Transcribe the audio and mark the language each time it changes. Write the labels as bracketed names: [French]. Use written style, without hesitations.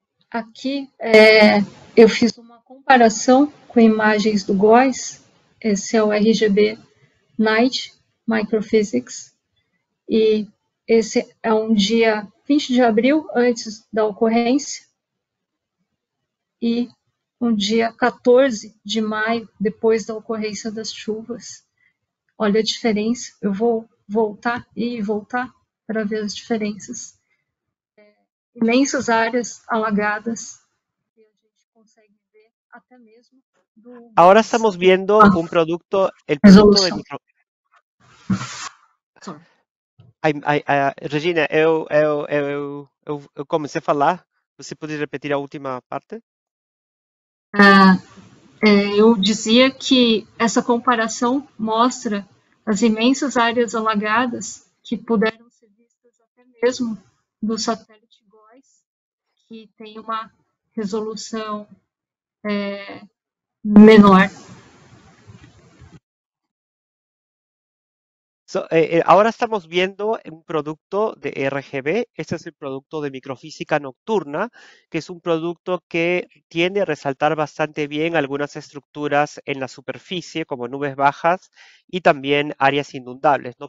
[Portuguese] Aqui eu fiz uma comparação com imagens do GOES, esse é o RGB Night Microphysics, e esse é um dia 20 de abril antes da ocorrência, e um dia 14 de maio, depois da ocorrência das chuvas. Olha a diferença, eu vou voltar e voltar para ver as diferenças. Imensas áreas alagadas, que a gente consegue ver até mesmo do... [Spanish] Ahora estamos viendo un producto, el producto de micro... [Portuguese] Regina, eu comecei a falar, você pode repetir a última parte? Eu dizia que essa comparação mostra as imensas áreas alagadas que puderam ser vistas até mesmo do satélite GOES, que tem uma resolução menor. [Spanish] So, ahora estamos viendo un producto de RGB. Este es el producto de microfísica nocturna, que es un producto que tiende a resaltar bastante bien algunas estructuras en la superficie, como nubes bajas y también áreas inundables, ¿no?